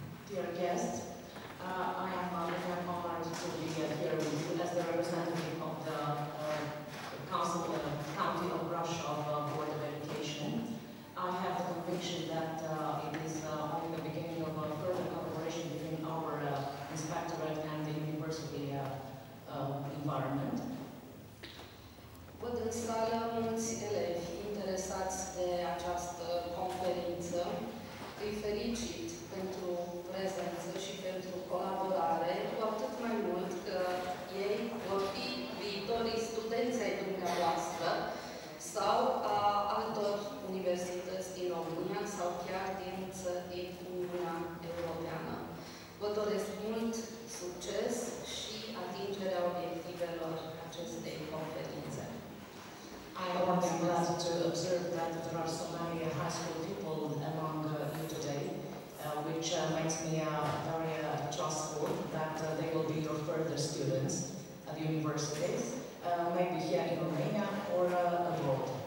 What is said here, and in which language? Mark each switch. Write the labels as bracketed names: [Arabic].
[English] Dear guests, I am very honored to be here with you as the representative of the Council of the County of Brasov Board of Education. I have the conviction that it is only the beginning of a further cooperation between our inspectorate and the university environment. [Romanian] Potem să la mulți elevi interesați de această conferință. Îi felicit pentru prezență și pentru colaborare, cu atât mai mult că ei vor fi viitorii studenți ai dumneavoastră sau a altor universități din România sau chiar din Uniunea Europeană. Vă doresc mult succes și atingerea obiectivelor acestei conferințe. [English] I am glad to observe that there are so many high school people among you today, which makes me very trustful that they will be your further students at the universities, maybe here in Romania or abroad.